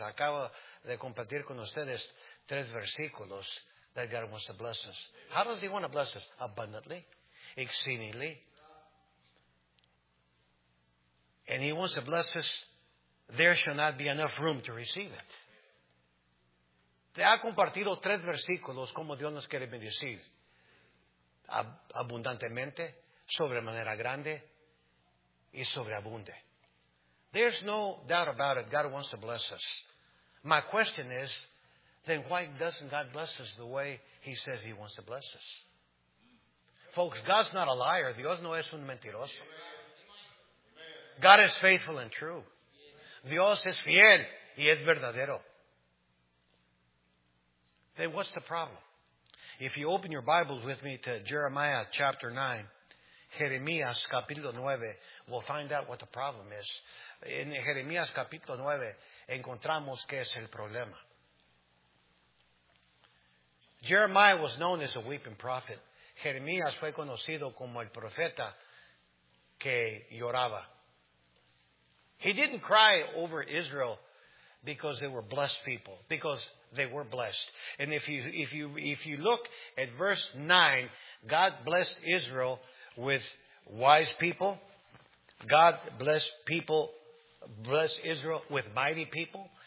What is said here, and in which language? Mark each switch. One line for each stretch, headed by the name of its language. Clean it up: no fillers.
Spanish: Acabo de compartir con ustedes tres versículos
English: that God wants to bless us. How does he want to bless us? Abundantly, exceedingly. And he wants to bless us. There shall not be enough room to receive it.
Spanish: Te ha compartido tres versículos como Dios nos quiere bendecir. Abundantemente, sobremanera grande, y sobreabunde.
English: There's no doubt about it. God wants to bless us. My question is, then why doesn't God bless us the way he says he wants to bless us? Folks, God's not a liar.
Spanish: Dios no es un mentiroso.
English: God is faithful and true.
Spanish: Dios es fiel y es verdadero.
English: Then what's the problem? If you open your Bibles with me to Jeremiah chapter 9,
Spanish: Jeremías capítulo 9,
English: we'll find out what the problem is.
Spanish: En Jeremías capítulo 9, encontramos qué es el problema.
English: Jeremiah was known as a weeping prophet.
Spanish: Jeremías fue conocido como el profeta que lloraba.
English: He didn't cry over Israel because they were blessed people, because they were blessed. And if you look at verse 9, God blessed Israel with wise people. God blessed Israel with mighty people.